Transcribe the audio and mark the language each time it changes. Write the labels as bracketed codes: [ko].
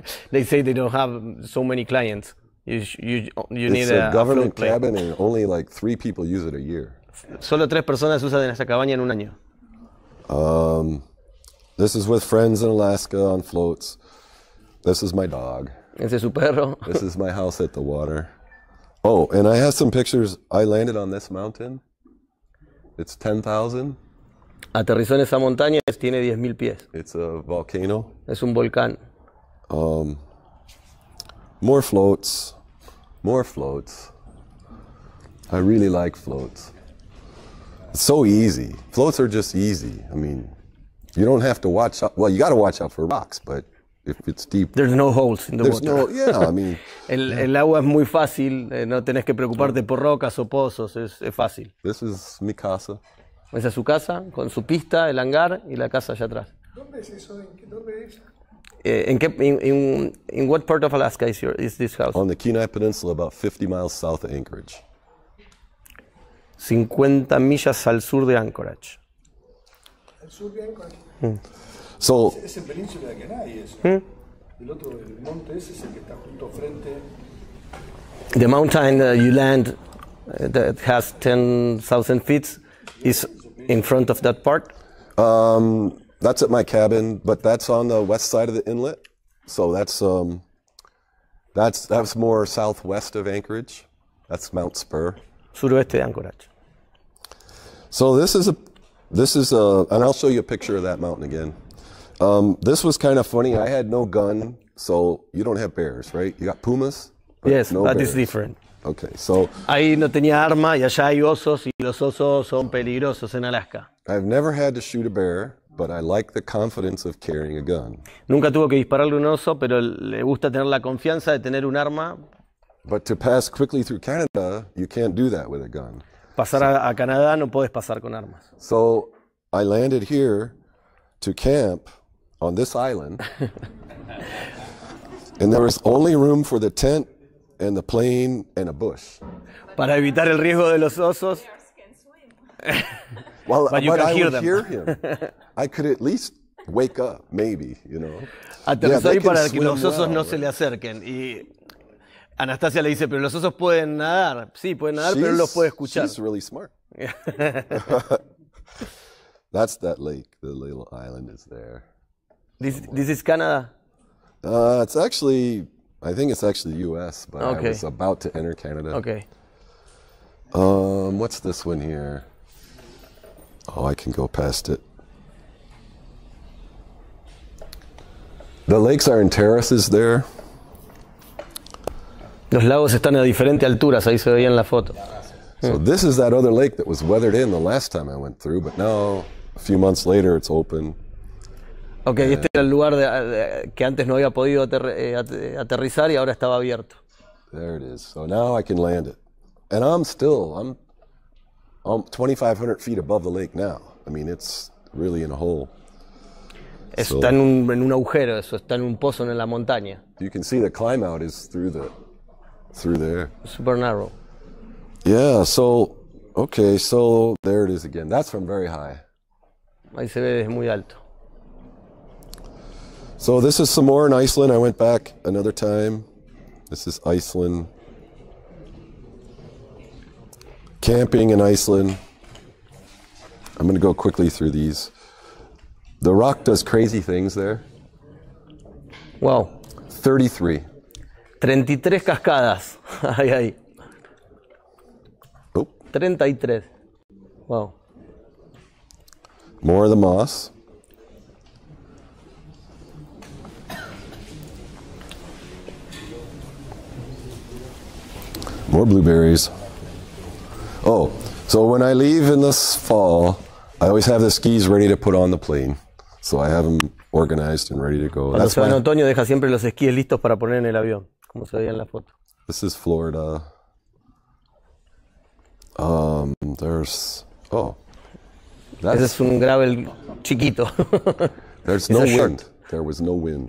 [en] They say they don't have so many clients. You it's need a government cabin and only like 3 people use it a year. [es] Solo 3 personas usan en esa cabaña en un año. [en] This is with friends in Alaska on floats. This is my dog. [es] Ese es su perro. [en] This is my house at the water. Oh, and I have some pictures. I landed on this mountain. It's 10,000. [es] Aterrizó en esa montaña, tiene 10,000 pies. [en] It's a volcano. [es] Es un volcán. [en] More floats. I really like floats. It's so easy. Floats are just easy. I mean, you don't have to watch out. Well, you got to watch out for rocks, but if it's deep. There's no holes in the there's water. There's no, yeah, I mean. [es] El agua es muy fácil. No tenés que preocuparte por rocas o pozos. Es fácil. [en] This is mi casa. [es] Esa es su casa, con su pista, el hangar y la casa allá atrás. ¿Dónde es eso? ¿Dónde es eso? [en] In what part of Alaska is this house? On the Kenai Peninsula, about 50 miles south of Anchorage. [es] 50 millas al sur de Anchorage. Al sur de Anchorage. [en] So. [es] Es el península de Kenai, eso. El otro, el monte ese es el que está junto frente. [en] The mountain you land that has 10,000 feet is in front of that part. That's at my cabin, but that's on the west side of the inlet. So that's more southwest of Anchorage. That's Mount Spur. [es] Suroeste de Anchorage. [en] So this is a, and I'll show you a picture of that mountain again. This was kind of funny. I had no gun, so you don't have bears, right? You got pumas. Yes, no that bears. Is different. Okay, so. [es] Ahí no tenía arma, y allá hay osos, y los osos son peligrosos en Alaska. [en] I've never had to shoot a bear. But I like the confidence of carrying a gun. [es] Nunca tuvo que dispararle un oso, pero le gusta tener la confianza de tener un arma. [en] But to pass quickly through Canada, you can't do that with a gun. [es] Pasar a Canadá no puedes pasar con armas. [en] So I landed here to camp on this island. And there was only room for the tent and the plane and a bush. [es] Para evitar el riesgo de los osos. [en] Well, but you can hear them. Hear him. I could at least wake up, maybe, you know. [es] Aterrizó yeah, para que los osos no se le acerquen. Y Anastasia le dice, pero los osos pueden nadar. Sí, pueden nadar, pero no los puede escuchar. [en] She's really smart. That's that lake. The little island is there. This is Canada. I think it's actually the U.S., but okay. I was about to enter Canada. Okay. What's this one here? Oh, I can go past it. The lakes are in terraces there. [es] Los lagos están a diferentes alturas, ahí se veía en la foto. [en] So this is that other lake that was weathered in the last time I went through, but now, a few months later, it's open. [es] Okay, este era el lugar que antes no había podido aterrizar y ahora estaba abierto. [en] There it is. So now I can land it. And I'm 2,500 feet above the lake now. I mean, it's really in a hole. [es] Está en un agujero, eso está en un pozo en la montaña. [en] You can see the climb out is through there. Super narrow. Yeah, so, okay, so there it is again. That's from very high. [es] Ahí se ve desde muy alto. [en] So this is some more in Iceland. I went back another time. This is Iceland. Camping in Iceland. I'm going to go quickly through these. The rock does crazy things there. Wow. 33 [es] cascadas. Ay, ay. Oh. [en] 33. Wow. More of the moss. More blueberries. Oh, so when I leave in this fall, I always have the skis ready to put on the plane. So I have them organized and ready to go. [es] Cuando se va en otoño, deja siempre los esquíes listos para poner en el avión, como se veía en la foto. [en] This is Florida. [es] Ese es un gravel chiquito. [en] There's no wind. There was no wind.